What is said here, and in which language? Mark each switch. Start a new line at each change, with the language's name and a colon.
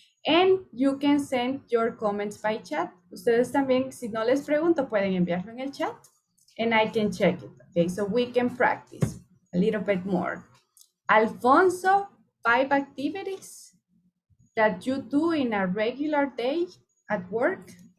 English: And you can send your comments by chat.
Spanish: Ustedes también, si no les pregunto, pueden enviarlo en el chat.
English: And I can check it. Okay, so we can practice a little bit more. Alfonso, 5 activities that you do in a regular day at work.